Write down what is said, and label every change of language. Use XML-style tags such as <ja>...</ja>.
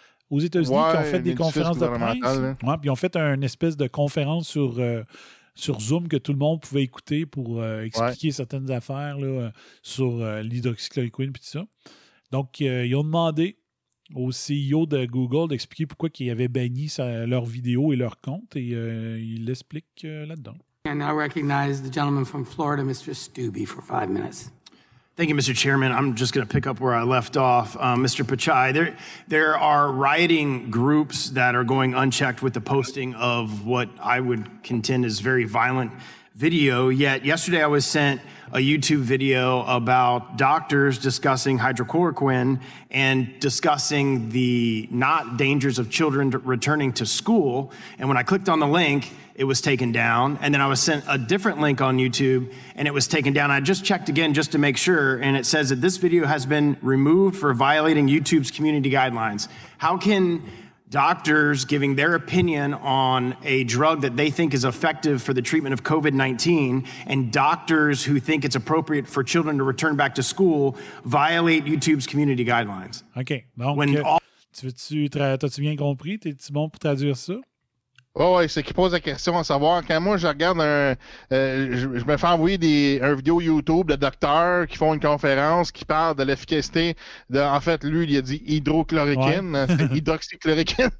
<fr>aux États-Unis qui ont fait des conférences de presse. Ouais, puis ils ont fait une espèce de conférence sur, sur Zoom que tout le monde pouvait écouter pour expliquer certaines affaires là, sur l'hydroxychloroquine et tout ça. Donc, ils ont demandé au CEO de Google d'expliquer pourquoi ils avaient banni leur vidéo et leur compte, et il l'explique là-dedans.</fr> <en>I now recognize the gentleman from Florida, Mr. Stubbe, for 5 minutes. Thank you, Mr. Chairman. I'm just going to pick up where I left off. Mr. Pichai, there are rioting groups that are going unchecked with the posting of what I would contend is very violent video. Yet yesterday I was sent a YouTube video about doctors discussing hydroxychloroquine and discussing the not dangers of children returning to school. And when I clicked on the link, it was taken down. And then I was sent a different link on YouTube and it was taken down. I just checked again just to make sure. And it says that this video has been removed for violating YouTube's community guidelines. How can doctors giving their opinion on a drug that they think is effective for the treatment of COVID-19 and doctors who think it's appropriate for children to return back to school violate YouTube's community guidelines?</en> <fr>Okay. Donc,</fr> <en>when</en> <fr>t'as-tu bien compris? T'es-tu bon pour traduire ça? Oh ouais, c'est qui pose la question, à savoir, quand moi je regarde je me fais envoyer un vidéo YouTube de docteurs qui font une conférence qui parle de l'efficacité de, en fait, lui, il a dit hydroxychloroquine, c'est hydroxychloroquine.</fr>